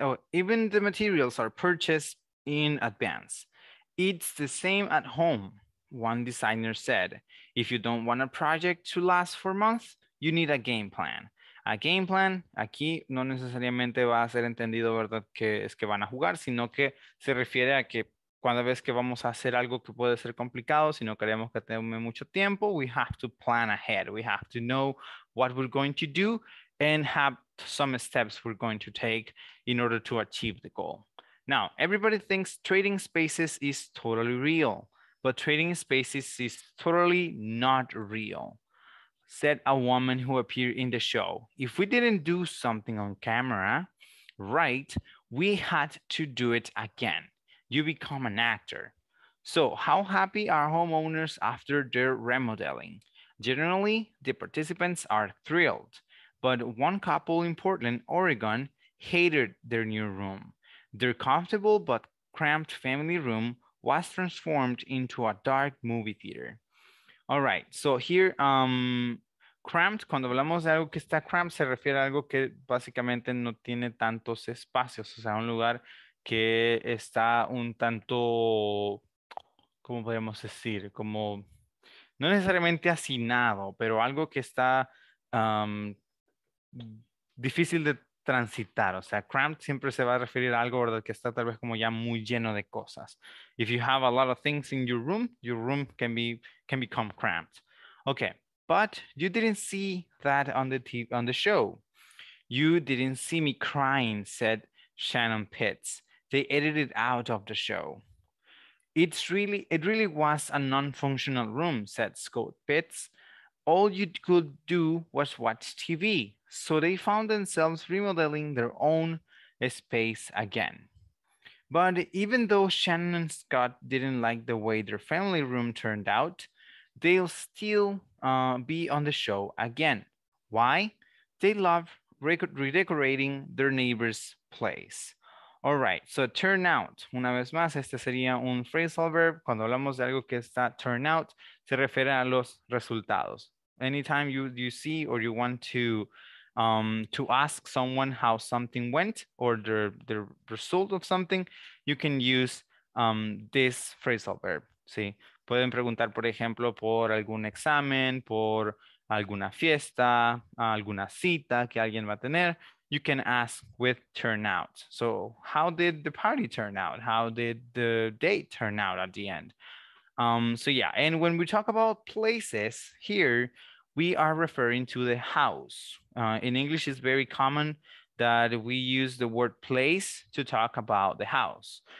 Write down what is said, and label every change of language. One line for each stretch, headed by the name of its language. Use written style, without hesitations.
English: Oh, even the materials are purchased in advance. It's the same at home, one designer said. If you don't want a project to last for months, you need a game plan.
Spanish: A game plan, aquí no necesariamente va a ser entendido, ¿verdad?, que es que van a jugar, sino que se refiere a que cuando ves que vamos a hacer algo que puede ser complicado, si no queremos que tome mucho tiempo,
English: we have to plan ahead. We have to know what we're going to do and have some steps we're going to take in order to achieve the goal. Now, everybody thinks trading spaces is totally real, but trading spaces is totally not real, said a woman who appeared in the show. If we didn't do something on camera, right, we had to do it again. You become an actor. So how happy are homeowners after their remodeling? Generally, the participants are thrilled, but one couple in Portland, Oregon, hated their new room. Their comfortable but cramped family room was transformed into a dark movie theater. All right, so here,
Spanish: cramped, cuando hablamos de algo que está cramped, se refiere a algo que básicamente no tiene tantos espacios, o sea, un lugar que está un tanto, ¿cómo podemos decir? Como, no necesariamente hacinado, pero algo que está difícil de transitar. O sea, cramped siempre se va a referir a algo, ¿verdad? Que está tal vez como ya muy lleno de cosas.
English: If you have a lot of things in your room can become cramped. Okay, but you didn't see that on the show. You didn't see me crying, said Shannon Pitts. They edited it out of the show. It really was a non-functional room, said Scott Pitts. All you could do was watch TV. So they found themselves remodeling their own space again. But even though Shannon and Scott didn't like the way their family room turned out, they'll still be on the show again. Why? They love redecorating their neighbor's place. All right, so turn out.
Spanish: Una vez más, este sería un phrasal verb. Cuando hablamos de algo que está turn out, se refiere a los resultados.
English: Anytime you see or you want to ask someone how something went or the result of something, you can use this phrasal verb.
Spanish: ¿Sí? Pueden preguntar, por ejemplo, por algún examen, por alguna fiesta, alguna cita que alguien va a tener.
English: You can ask with turnout. So how did the party turn out? How did the date turn out at the end? So yeah, and when we talk about places here, we are referring to the house. In English, it's very common that we use the word place to talk about the house.